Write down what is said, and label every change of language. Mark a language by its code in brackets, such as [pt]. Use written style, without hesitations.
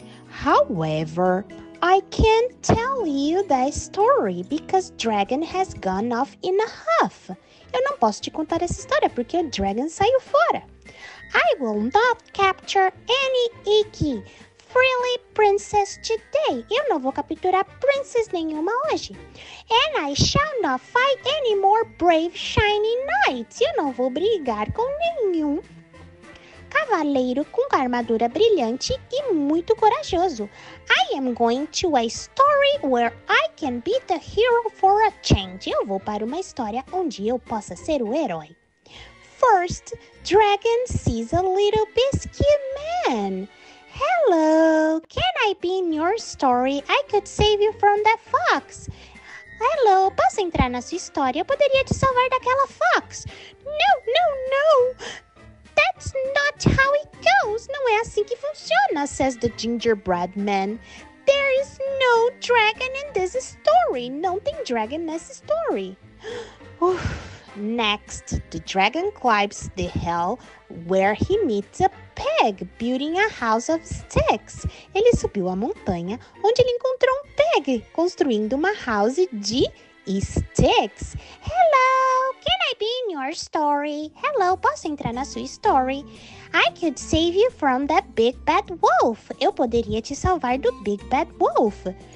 [en] However, I can't tell you that story because dragon has gone off in a huff. [pt] Eu não posso te contar essa história porque o dragon saiu fora. [en] I will not capture any icky frilly princess today. [pt] Eu não vou capturar princess nenhuma hoje. [en] And I shall not fight any more brave shiny knights. [pt] Eu não vou brigar com nenhum cavaleiro com armadura brilhante e muito corajoso. [en] I am going to a story where I can be the hero for a change. [pt] Eu vou para uma história onde eu possa ser o herói. [en] First, dragon sees a little biscuit man. Hello, can I be in your story? I could save you from that fox. [pt] Hello, posso entrar na sua história? Eu poderia te salvar daquela fox. [en] No, no, no. That's not how it goes. [pt] Não é assim que funciona, [en] says the gingerbread man. There is no dragon in this story. [pt] Não tem dragon nessa story. [en] Next, the dragon climbs the hill where he meets a pig building a house of sticks. [pt] Ele subiu a montanha onde ele encontrou pig construindo uma house de sticks. [en] Hello, can I be in your story? [pt] Hello, posso entrar na sua story? [en] I could save you from that big bad wolf. [pt] Eu poderia te salvar do [en] big bad wolf.